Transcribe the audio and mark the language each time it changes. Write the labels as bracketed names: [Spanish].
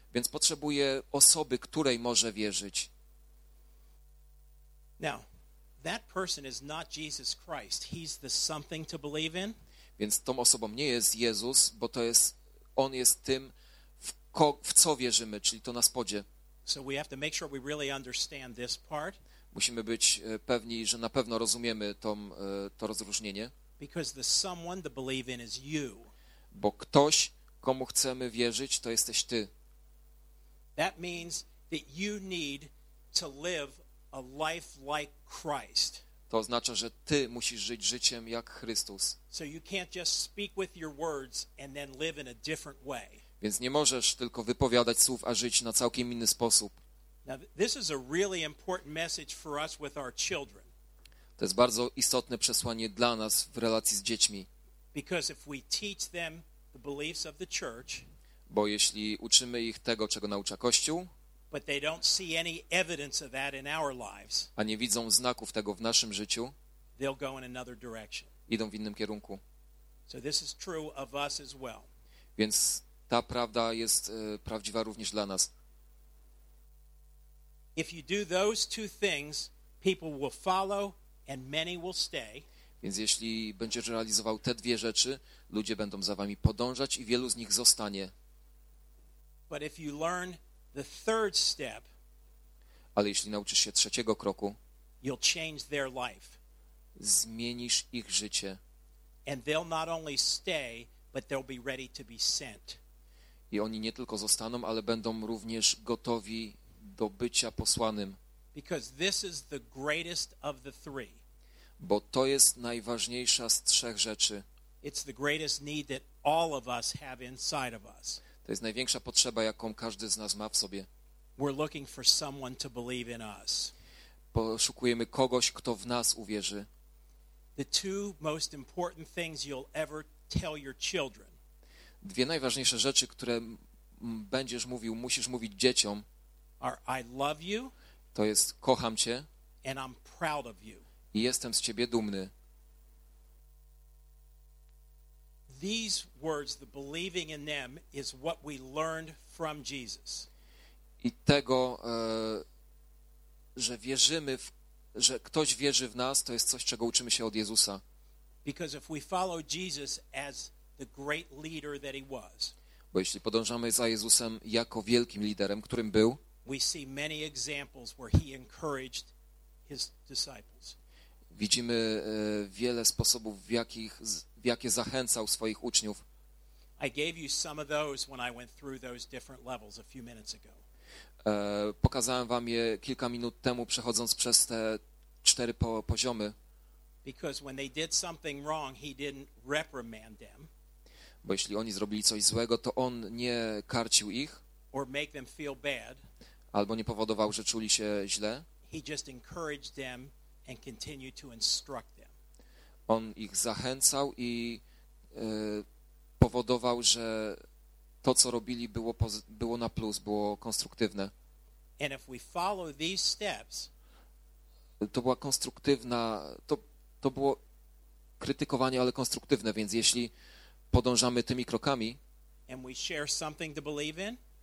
[Polish] Więc potrzebuje osoby, której może wierzyć. [English] Now, that person is not Jesus Christ. He's the something to believe in. [Polish] Więc tą osobą nie jest Jezus, bo to jest on jest tym w co wierzymy, czyli to na spodzie. [English] So we have to make sure we really understand this part. [Polish] Musimy być pewni, że na pewno rozumiemy to rozróżnienie. [English] Because the someone to believe in is you. [Polish] Bo ktoś, komu chcemy wierzyć, to jesteś ty. [English] That means that you need to live a life like Christ. [Polish] To oznacza, że ty musisz żyć życiem jak Chrystus. [English] So you can't just speak with your words and then live in a different way. [Polish] Więc nie możesz tylko wypowiadać słów, a żyć na całkiem inny sposób. [English] Now, this is a really important message for us with our children. [Polish] To jest bardzo istotne przesłanie dla nas w relacji z dziećmi. [English] Because if we teach them the beliefs of the church, [Polish] bo jeśli uczymy ich tego, czego naucza Kościół, [English] but they don't see any evidence of that in our lives, [Polish] a nie widzą znaków tego w naszym życiu, [English] they'll go in another direction. [Polish] Idą w innym kierunku. [English] So this is true of us as well. [Polish] Więc ta prawda jest prawdziwa również dla nas. [English] If you do those two things, people will follow and many will stay. [Polish] Więc jeśli będziesz realizował te dwie rzeczy, ludzie będą za wami podążać i wielu z nich zostanie. [English] But if you learn the third step, [Polish] ale jeśli nauczysz się trzeciego kroku, [English] you'll change their life. [Polish] Zmienisz ich życie. [English] And they'll not only stay, but they'll be ready to be sent. [Polish] I oni nie tylko zostaną, ale będą również gotowi do bycia posłanym. [English] Because this is the greatest of the three. [Polish] Bo to jest najważniejsza z trzech rzeczy. [English] It's the greatest need that all of us have inside of us. [Polish] To jest największa potrzeba, jaką każdy z nas ma w sobie. [English] We're looking for someone to believe in us. [Polish] Poszukujemy kogoś, kto w nas uwierzy. [English] The two most important things you'll ever tell your children. [Polish] Dwie najważniejsze rzeczy, które będziesz mówił, musisz mówić dzieciom. [English] Are I love you? [Polish] To jest kocham cię. [English] And I'm proud of you. [Polish] I jestem z ciebie dumny. [English] These words, the believing in them, is what we learned from Jesus. [Polish] I tego, że wierzymy, że ktoś wierzy w nas, to jest coś, czego uczymy się od Jezusa. [English] Because if we follow Jesus as the great leader that he was. [Polish] Bo jeśli podążamy za Jezusem jako wielkim liderem, którym był. [English] We see many examples where he encouraged his disciples. [Polish] Widzimy wiele sposobów, w jakie zachęcał swoich uczniów. [English] I gave you some of those when I went through those different levels a few minutes ago. [Polish] Pokazałem wam je kilka minut temu, przechodząc przez te cztery poziomy. [English] Because when they did something wrong, he didn't reprimand them. [Polish] Bo jeśli oni zrobili coś złego, to on nie karcił ich. [English] Or make them feel bad. [Polish] Albo nie powodował, że czuli się źle. [English] He just encouraged them and continued to instruct them. [Polish] On ich zachęcał i powodował, że to, co robili, było na plus, było konstruktywne. [English] And if we follow these steps, [Polish] to była konstruktywna, to było krytykowanie, ale konstruktywne, więc jeśli podążamy tymi krokami [English] and we share something to believe in,